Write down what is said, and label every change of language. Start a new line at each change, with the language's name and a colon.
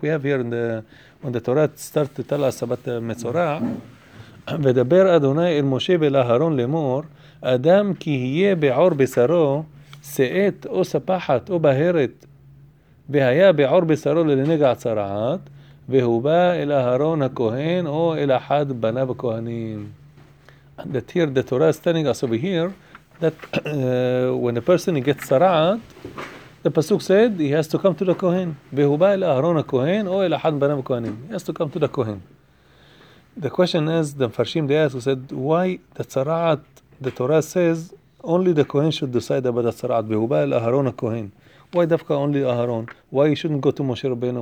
English: We have here when the Torah starts to tell us about the Metzora,
Hebrew: V'daber Adonai el Moshe v'laharon lemor, Adam ki hiye be'or b'saro, שאת או ספחת או בהרת והיה בעור בשרו לנגע צרעת והוא בא אל אהרון הכהן או אל אחד בניו הכהנים.
English: And that here the Torah is telling us over here that when a person gets צרעת, the Pasuk said he has to come to the Kohen.
Hebrew: והוא בא אל אהרון הכהן או אל אחד בניו הכהנים.
English: He has to come to the Kohen. The question is, the מפרשים they asked, said, why the צרעת, the Torah says, only the Kohen should decide about the Tzara'at.
Hebrew: Behuba el Aharon HaKohen.
English: Why dafka only Aharon? Why he shouldn't go to Moshe Rabbeinu?